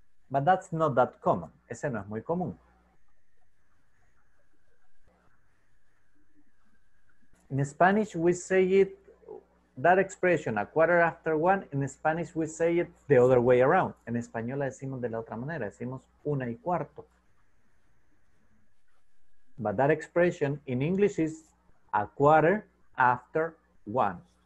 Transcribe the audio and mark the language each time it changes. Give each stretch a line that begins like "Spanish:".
English: But that's not that common.
Spanish: Ese no es muy común.
English: In Spanish, we say it, that expression, a quarter after 1, in Spanish, we say it the other way around.
Spanish: En español, decimos de la otra manera, decimos 1:15.
English: But that expression in English is a quarter after 1.